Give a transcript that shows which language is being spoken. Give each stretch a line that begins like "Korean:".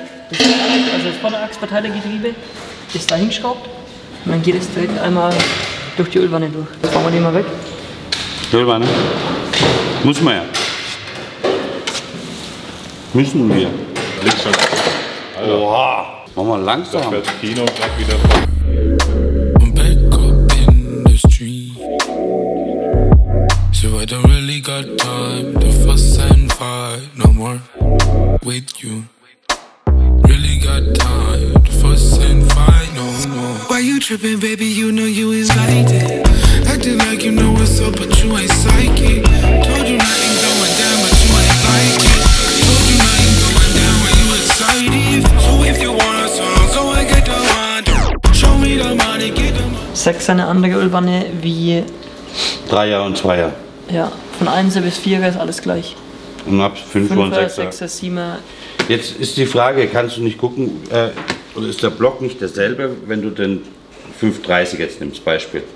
German: Das Vorderachsparteilergetriebe ist da hingeschraubt und dann geht es direkt einmal durch die Ölwanne durch. Jetzt bauen wir die mal weg. Ölwanne? Muss man ja. Müssen wir. Links schon. Oha. Machen wir langsam. Da fährt Kino gleich wieder vor.
English: Back up in the street. So I don't really got time to fuss and fight no more with you. Really got time to fuss and fight no more. Why you tripping, baby? You know you invited. Acting like you know what's up, but you ain't psychic. Told you nothing going down, but you ain't like it. Told you nothing going down, but you excited. So if you want a song, go and get the money. Show me the money, get the money.
German: Sechs eine andere Ölwanne wie 3er und 2er. Ja, von 1er bis 4er ist alles gleich. Und ab 5er und 6er. 6er, 7er. Jetzt ist die Frage, kannst du nicht gucken, oder ist der Block nicht derselbe, wenn du den 530 jetzt nimmst, Beispiel?